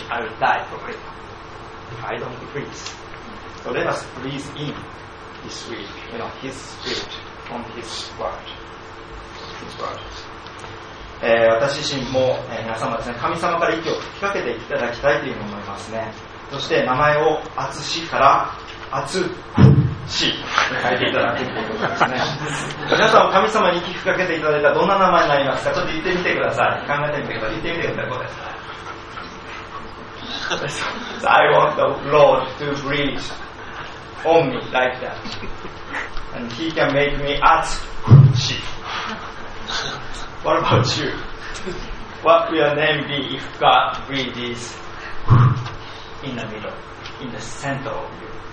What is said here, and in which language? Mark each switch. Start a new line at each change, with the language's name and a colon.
English: I will die for it if I don't breathe. So let us breathe in this week, you know, his spirit from his word. His word.
Japanese: 私自身も、皆様ですね、神様から息を吹きかけていただきたいというふうに思いますね。そして名前をアツシからアツシと書いていただくということですね。皆さんは神様に息吹かけていただいたらどんな名前になりますか。ちょっと言ってみてください。考えてみてください。言ってみてください。どうですか。
English: I want the Lord to breathe on me like that and he can make me アツシ。 What about you? What will your name be if God breathes in the middle, in the center of you?